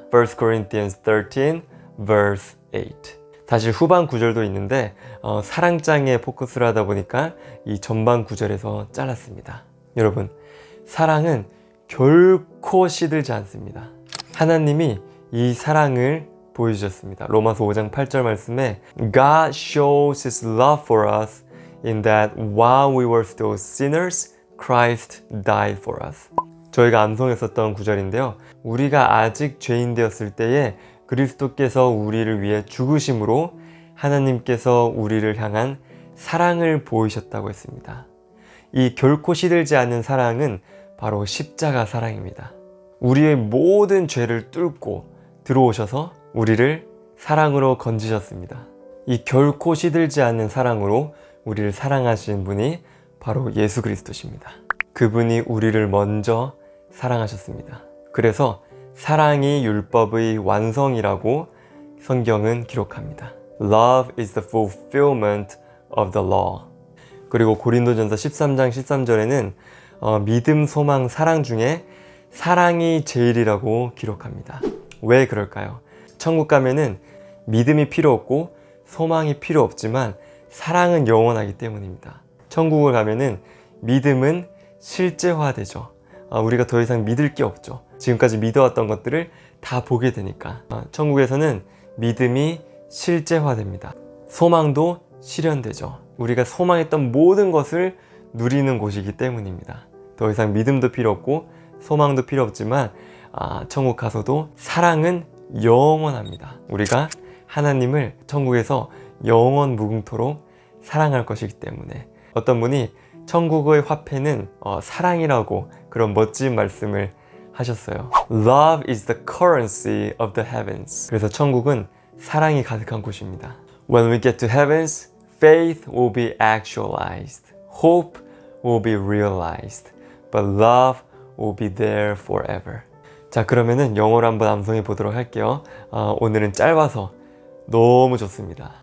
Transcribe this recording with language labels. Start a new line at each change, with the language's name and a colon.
English: 1 Corinthians 13 verse 8.
Korean: 사실 후반 구절도 있는데 사랑장에 포커스를 하다 보니까 이 전반 구절에서 잘랐습니다. 여러분, 사랑은 결코 시들지 않습니다. 하나님이 이 사랑을 보여주셨습니다. 로마서 5장 8절 말씀에
English: God shows his love for us in that while we were still sinners, Christ died for us.
Korean: 저희가 암송했었던 구절인데요. 우리가 아직 죄인 되었을 때에 그리스도께서 우리를 위해 죽으심으로 하나님께서 우리를 향한 사랑을 보이셨다고 했습니다. 이 결코 시들지 않는 사랑은 바로 십자가 사랑입니다. 우리의 모든 죄를 뚫고 들어오셔서 우리를 사랑으로 건지셨습니다. 이 결코 시들지 않는 사랑으로 우리를 사랑하신 분이 바로 예수 그리스도십니다. 그분이 우리를 먼저 사랑하셨습니다. 그래서 사랑이 율법의 완성이라고 성경은 기록합니다.
English: Love is the fulfillment of the law.
Korean: 그리고 고린도전서 13장 13절에는 믿음, 소망, 사랑 중에 사랑이 제일이라고 기록합니다. 왜 그럴까요? 천국 가면은 믿음이 필요 없고 소망이 필요 없지만 사랑은 영원하기 때문입니다. 천국을 가면은 믿음은 실제화되죠. 우리가 더 이상 믿을 게 없죠. 지금까지 믿어왔던 것들을 다 보게 되니까 천국에서는 믿음이 실제화됩니다. 소망도 실현되죠. 우리가 소망했던 모든 것을 누리는 곳이기 때문입니다. 더 이상 믿음도 필요 없고 소망도 필요 없지만 천국 가서도 사랑은 영원합니다. 우리가 하나님을 천국에서 영원 무궁토록 사랑할 것이기 때문에 어떤 분이 천국의 화폐는 사랑이라고 그런 멋진 말씀을 하셨어요.
English: Love is the currency of the heavens.
Korean: 그래서 천국은 사랑이 가득한 곳입니다.
English: When we get to heavens, faith will be actualized. Hope will be realized. But love will be there forever.
Korean: 자, 그러면은 영어로 한번 암송해 보도록 할게요. 오늘은 짧아서 너무 좋습니다.